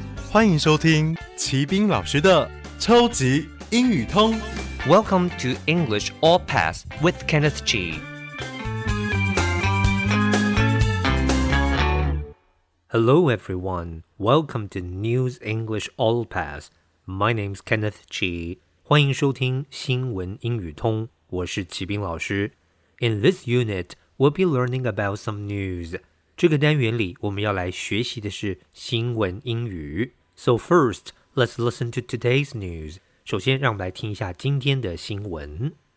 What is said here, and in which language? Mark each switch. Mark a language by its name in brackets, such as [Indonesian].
[Chinese] 欢迎收听齐宾老师的超级英语通。 [English] Welcome to English All Pass with Kenneth G. Hello everyone, welcome to News English All Pass. My name's Kenneth G. [Chinese] 欢迎收听新闻英语通，我是齐宾老师。 [English] In this unit, we'll be learning about some news. [Chinese] 这个单元里我们要来学习的是新闻英语。 [English] So first, let's listen to today's news. [Chinese] 首先让我们来听一下今天的新闻。